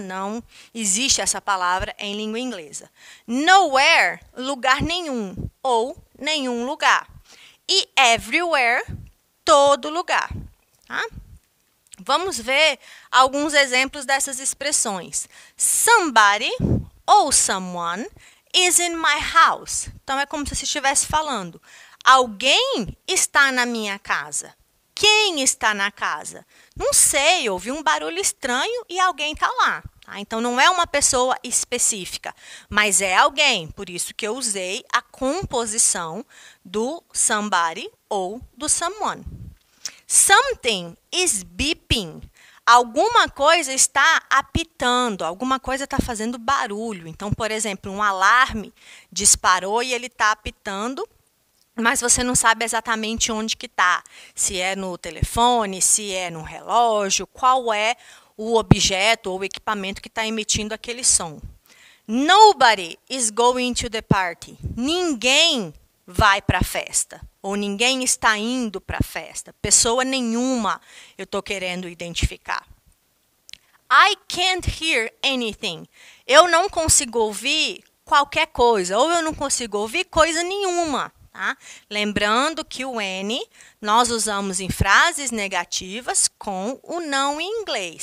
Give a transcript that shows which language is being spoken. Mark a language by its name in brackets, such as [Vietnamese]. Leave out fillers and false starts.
[Portuguese] Não existe essa palavra em língua inglesa. Nowhere, lugar nenhum ou nenhum lugar. E everywhere, todo lugar. Tá? Vamos ver alguns exemplos dessas expressões. [English] Somebody ou someone is in my house. [Portuguese] Então, é como se você estivesse falando. Alguém está na minha casa. Quem está na casa? Não sei, ouvi um barulho estranho e alguém está lá. Tá? Então, não é uma pessoa específica, mas é alguém. Por isso que eu usei a composição do somebody ou do someone. [English] Something is beeping. [Portuguese] Alguma coisa está apitando, alguma coisa está fazendo barulho. Então, por exemplo, um alarme disparou e ele está apitando, mas você não sabe exatamente onde que está. Se é no telefone, se é no relógio, qual é o objeto ou equipamento que está emitindo aquele som. [English] Nobody is going to the party. [Portuguese] Ninguém vai para a festa. Ou ninguém está indo para a festa. Pessoa nenhuma eu estou querendo identificar. [English] I can't hear anything. [Portuguese] Eu não consigo ouvir qualquer coisa. Ou eu não consigo ouvir coisa nenhuma. Tá? Lembrando que o N nós usamos em frases negativas com o não em inglês.